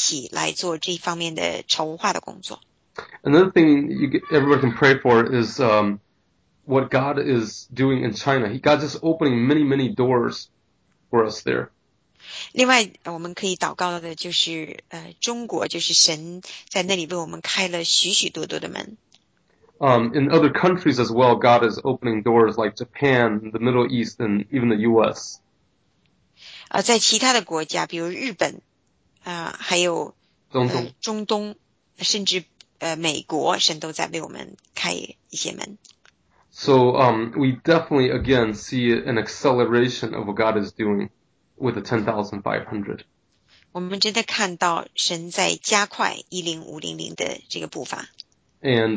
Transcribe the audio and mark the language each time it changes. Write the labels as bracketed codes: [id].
[zh] 李祥牧师和我本人，我们是在1月下旬的样子会到台湾去跟不同的人一起来做这方面的筹划的工作。 [en] Another thing you get, everyone can pray for is what God is doing in China. God's just opening many, many doors for us there. [zh] 另外，我们可以祷告的就是中国，就是神在那里为我们开了许许多多的门。 [en] In other countries as well, God is opening doors like Japan, the Middle East, and even the U.S. [zh] 在其他的国家，比如日本，还有中东，甚至。美国，神都在为我们开一些门。 [en] So we definitely again see an acceleration of what God is doing with the 10,500. [zh] 我们真的看到神在加快10,500的这个步伐。 [en] And